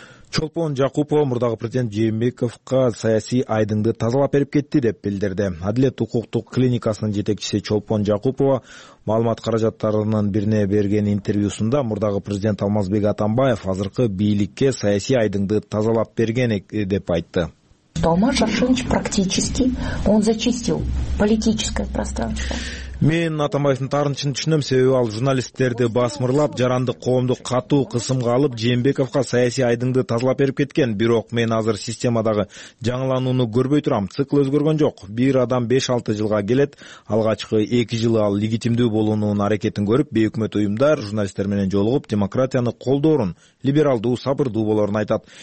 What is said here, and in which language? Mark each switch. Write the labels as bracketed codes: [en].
[ky] Чолпон Жакупова мурдагы президент Жээнбековго саясий айдынды тазалап берип кетти деп билдирди. Адилет укуктук клиникасынын жетекчиси Чолпон Жакупова маалымат каражаттарынын бирине берген интервьюсунда мурдагы президент Алмазбек Атамбаев азыркы бийликке саясий айдынды тазалап берген деп айтты. [ru] Алмаз Шаршинович практически он зачистил политическое пространство. [ky] Мен Атамбаевдин тарынчын түшүнөм, себеби ал журналисттерди басмырлап, жарандык коомду катуу кысымга алып, Жээнбековго саясий айдыңды тазалап берип кеткен. Бирок мен азыр системадагы жаңылууну көрбөй турам. Цикл өзгөргөн жок. Бир адам 5-6 жылга келет. Алгачкы 2 жылы ал легитимдүү болуунун аракетин көрүп, бейөкмөт уюмдар журналисттер менен жолугуп, демократияны колдоорун, либералдуу, сабырдуу болорун айтат.